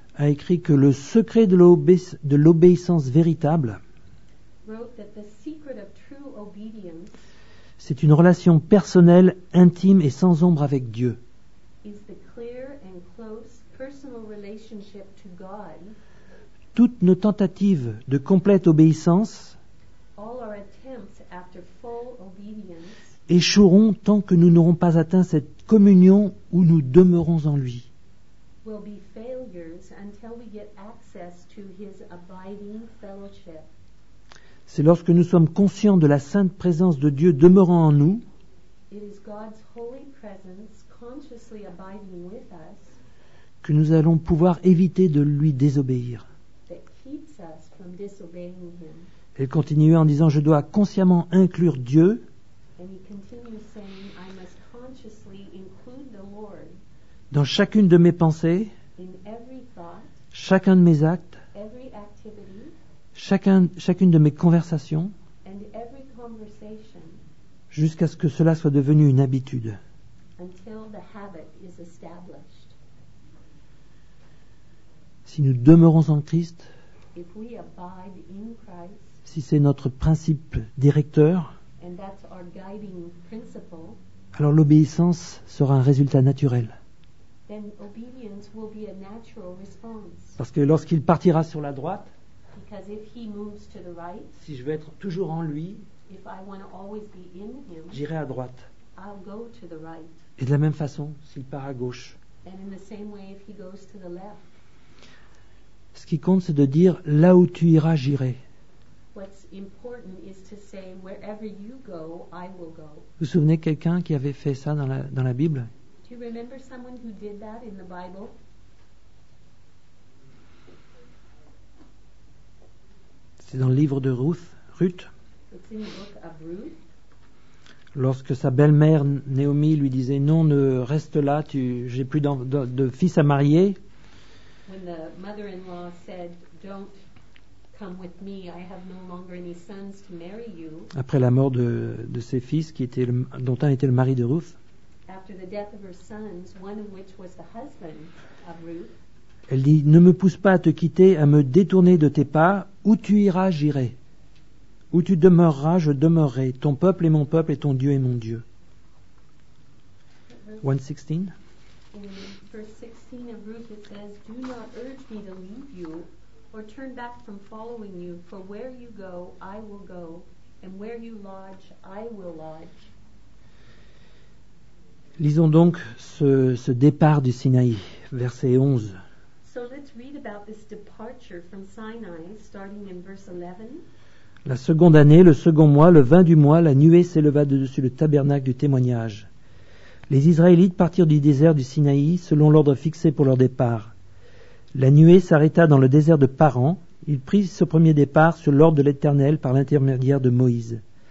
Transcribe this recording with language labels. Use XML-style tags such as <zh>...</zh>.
<fr>a écrit que le secret de l'obéissance véritable,</fr> <en>wrote that the secret of true obedience,</en> <fr>c'est une relation personnelle, intime et sans ombre avec Dieu.</fr> <en>Is the clear and close personal relationship to God.</en> <fr>Toutes nos tentatives de complète obéissance,</fr> <en>all our attempts after full obedience,</en> <fr>échoueront tant que nous n'aurons pas atteint cette communion où nous demeurons en lui.</fr> <en>We'll be failures until we get access to his abiding fellowship.</en> <fr>C'est lorsque nous sommes conscients de la sainte présence de Dieu demeurant en nous,</fr> <en>it is God's holy presence consciously abiding with us,</en> <fr>que nous allons pouvoir éviter de lui désobéir.</fr> <en>That keeps us from disobeying him.</en> <fr>Elle continuait en disant, je dois consciemment inclure Dieu.</fr> <en>And he continued saying, I must consciously include the Lord.</en> <fr>Dans chacune de mes pensées,</fr> <en>in every thought,</en> <fr>chacun de mes actes,</fr> <en>every activity,</en> <fr>chacune de mes conversations,</fr> <en>and every conversation,</en> <fr>jusqu'à ce que cela soit devenu une habitude.</fr> <en>Until the habit is established.</en> <fr>Si nous demeurons en Christ,</fr> <en>if we abide in Christ,</en> <fr>si c'est notre principe directeur,</fr> <en>and that's our guiding principle,</en> <fr>alors l'obéissance sera un résultat naturel.</fr> <en>Then obedience will be a natural response.</en> <fr>Parce que lorsqu'il partira sur la droite,</fr> <en>because if he moves to the right,</en> <fr>si je veux être toujours en lui,</fr> <en>if I want to always be in him,</en> <fr>j'irai à droite.</fr> <en>I'll go to the right.</en> <fr>Et de la même façon, s'il part à gauche.</fr> <en>And in the same way if he goes to the left.</en> <fr>Ce qui compte, c'est de dire, là où tu iras, j'irai.</fr> <en>What's important is to say, wherever you go, I will go.</en> <fr>Vous vous souvenez quelqu'un qui avait fait ça dans la Bible?</fr> <en>Do you remember someone who did that in the Bible?</en> <fr>C'est dans le livre de Ruth.</fr> <en>It's in the book of Ruth.</en> <fr>Lorsque sa belle-mère Naomi lui disait, non, ne reste là, j'ai plus de fils à marier.</fr> <en>When the mother-in-law said, don't come with me, I have no longer any sons to marry you.</en> <fr>Après la mort de ses fils, dont un était le mari de Ruth.</fr> <en>After the death of her sons, one of which was the husband of Ruth.</en> <fr>Elle dit, ne me pousse pas à te quitter, à me détourner de tes pas. Où tu iras, j'irai. Où tu demeureras, je demeurerai. Ton peuple est mon peuple et ton Dieu est mon Dieu. 1:16.</fr> <en>In verse 16 of Ruth it says, do not urge me to leave you or turn back from following you. For where you go, I will go. And where you lodge, I will lodge.</en> <fr>Lisons donc ce départ du Sinaï, verset 11.</fr> <en>So let's read about this departure from Sinai, starting in verse 11.</en> <fr>La seconde année, le second mois, le 20 du mois, la nuée s'éleva de dessus le tabernacle du témoignage. Les Israélites partirent du désert du Sinaï selon l'ordre fixé pour leur départ. La nuée s'arrêta dans le désert de Paran. Ils prirent ce premier départ sur l'ordre de l'Éternel par l'intermédiaire de Moïse.</fr>